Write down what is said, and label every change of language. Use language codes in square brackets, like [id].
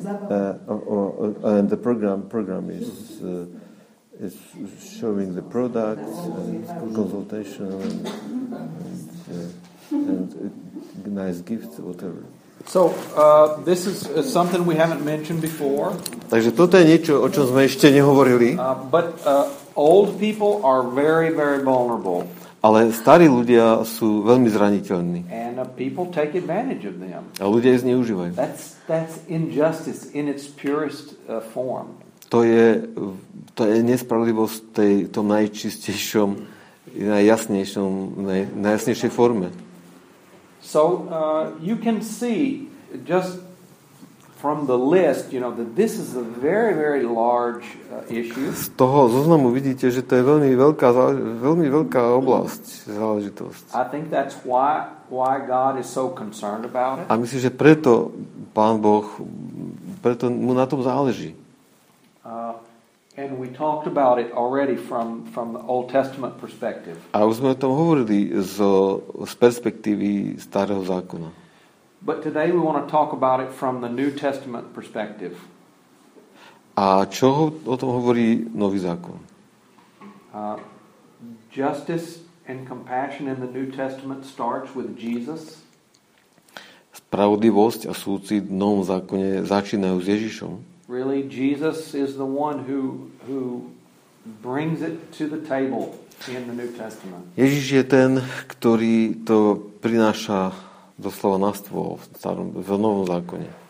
[en] Uh-huh. And the program is. Is showing the products and consultation and nice gifts, whatever. So this is something we haven't mentioned before. [sk] Takže toto je niečo, o čom sme ešte nehovorili. [en] But old people are very, very vulnerable. [sk] Ale starí ľudia sú veľmi zraniteľní. [en] And people take advantage of them. [sk] A ľudia ich zneužívajú. [en] That's injustice in its purest form. [sk] To je nespravodlivosť tej tom najčistejšom, najjasnejšom, najjasnejšej forme. [en] So you can see just from the list, you know, that this is a very, very large issue. [sk] Z toho zoznamu vidíte, že to je veľmi veľká oblasť, záležitosť. [en] I think that's why God is so concerned about it. [sk] A myslím, že preto Pán Boh, preto mu na tom záleží. [en] And we talked about it already from the Old Testament perspective. [sk] A už sme o tom hovorili z perspektívy starého zákona. [en] But today we want to talk about it from the New Testament perspective. [sk] A čo o tom hovorí nový zákon? [en] Justice and compassion in the New Testament starts with Jesus. [sk] Spravodlivosť a súcit v novom zákone začínajú s Ježišom. [en] Really, Jesus is the one who brings it to the table in the New Testament. [sk] Ježiš je ten, ktorý to prináša doslova na stôl v novom zákone.